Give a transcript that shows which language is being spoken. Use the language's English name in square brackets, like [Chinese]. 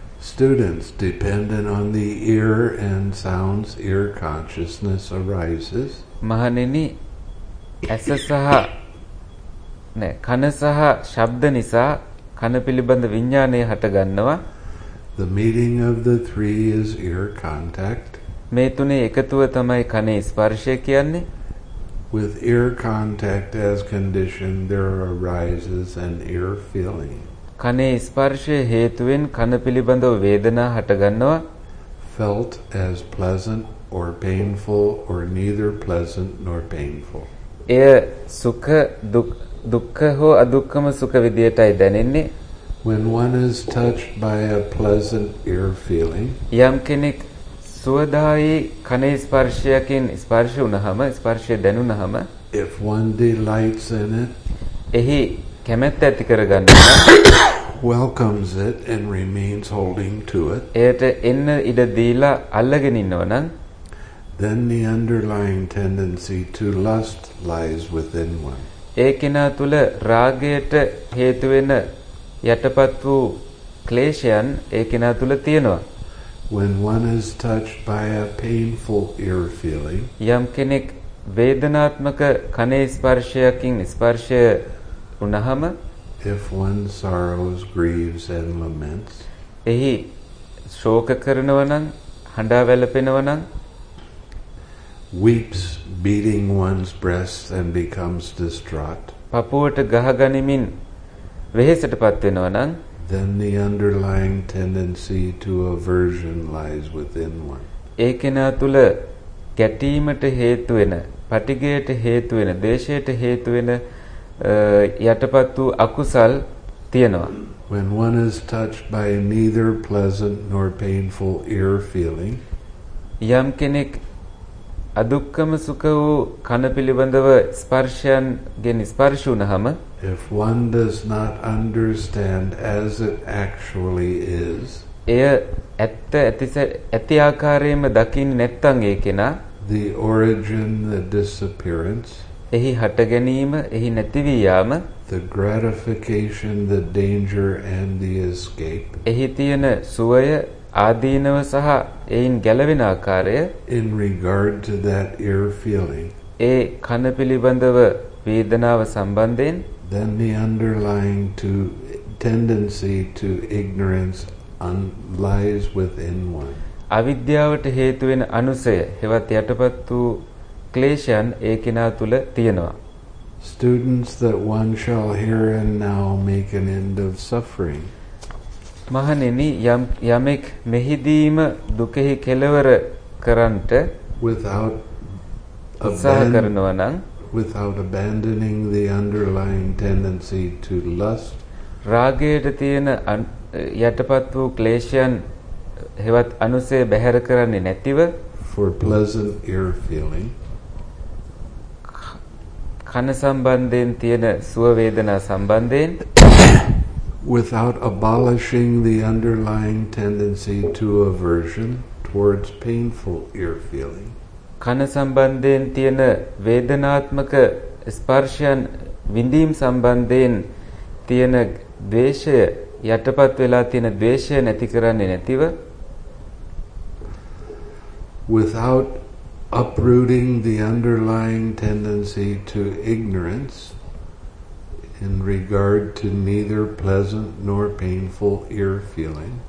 [English] students dependent on the ear and sounds ear consciousness arises [Sinhala] මහණෙනි ඇස සහ නෑ කන සහ ශබ්ද නිසා කන පිළිබඳ විඥානය හට ගන්නවා [English] the meeting of the three is ear contact [Sinhala] මේ තුනේ එකතුව තමයි කනේ ස්පර්ශය කියන්නේ. [English] With ear contact as condition, there arises an ear feeling. [Sinhala] කනේ ස්පර්ශය හේතුවෙන් කන පිළිබඳව වේදනා හටගන්නවා. [English] Felt as pleasant or painful or neither pleasant nor painful. [Sinhala] එය සුඛ දුක්ඛ හෝ අදුක්ඛම සුඛ විදියටයි දැනෙන්නේ. [English] When one is touched by a pleasant ear feeling, [Sinhala] යම් කෙනෙක් සුවදායි කනේ ස්පර්ශයකින් ස්පර්ශ වුණහම ස්පර්ශය දැනුණහම, [English] if one delights in it, [Sinhala] එහි කැමැත්ත ඇති කරගන්නවා, [English] welcomes it and remains holding to it, [Sinhala] එයට එන්න ඉඩ දීලා අල්ලගෙන ඉන්නවා නම්, [English] then the underlying tendency to lust lies within one. [Sinhala] ඒ කෙනා තුළ රාගයට හේතු වෙන යටපත් වූ ක්ලේශයන් ඒ කෙනා තුළ තියෙනවා. [English] When one is touched by a painful ear feeling, [Sinhala] යම් කෙනෙක් වේදනාත්මක කනේ ස්පර්ශයකින් ස්පර්ශය වුණහම, [English] if one sorrows, grieves and laments, [Sinhala] එහි ශෝක කරනවා නම්, හඬා වැළපෙනවා නම්, [English] weeps, beating one's breast and becomes distraught, [Sinhala] පපුවට ගහ ගනිමින් වෙහෙසටපත් වෙනවා නම්, [English] then the underlying tendency to aversion lies within one. [Sinhala] ඒකෙනා තුල ගැටීමට හේතු වෙන, පටිගයට හේතු වෙන, දේශයට හේතු වෙන යටපත් වූ අකුසල් තියෙනවා. [English] When one is touched by neither pleasant nor painful ear feeling, [Sinhala] යම් කෙනෙක් අදුක්කම සුඛ වූ කන පිළිබඳව ස්පර්ශයන් ගැන ස්පර්ශ වුණහම, [English] if one does not understand as it actually is, [Sinhala] එය ඇත්ත ඇති ආකාරයෙන්ම දකින්නේ නැත්නම් ඒකෙනා, [English] the origin, the disappearance, [Sinhala] එහි හට ගැනීම, එහි නැතිවී යාම, [English] the gratification, the danger and the escape, [Sinhala] එහි තියෙන සුවය ආදීනව සහ එයින් ගැලවෙන ආකාරය, [English] in regard to that ear feeling, [Sinhala] ඒ කන පිළිබඳව වේදනාව සම්බන්ධයෙන්, [English] then the underlying to tendency to ignorance lies within one. [Sinhala] අවිද්‍යාවට හේතු වෙන අනුසය හෙවත් යටපත් වූ ක්ලේශයන් ඒ කෙනා තුල තියෙනවා. [English] Students that one shall hear and now make an end of suffering. [Sinhala] මහණෙනි යමෙක් මෙහිදීම දුකෙහි කෙලවර කරන්ට [English] without [Sinhala] උත්සාහ කරනවා නම්, [English] without abandoning the underlying tendency to lust, [Sinhala] රාගයට තියෙන යටපත් වූ ක්ලේශයන් හෙවත් අනුසය බැහැර කරන්නේ නැතිව, [English] for pleasant ear feeling, [Sinhala] කන සම්බන්ධයෙන් තියෙන සුව වේදනා සම්බන්ධයෙන්, [English] without abolishing the underlying tendency to aversion towards painful ear feeling, [Sinhala] කන සම්බන්ධයෙන් තියෙන වේදනාත්මක ස්පර්ශයන් විඳීම් සම්බන්ධයෙන් තියෙන ද්වේෂය යටපත් වෙලා තියෙන ද්වේෂය නැති කරන්නේ නැතිව, [English] without uprooting the underlying tendency to ignorance in regard to neither pleasant nor painful ear feeling,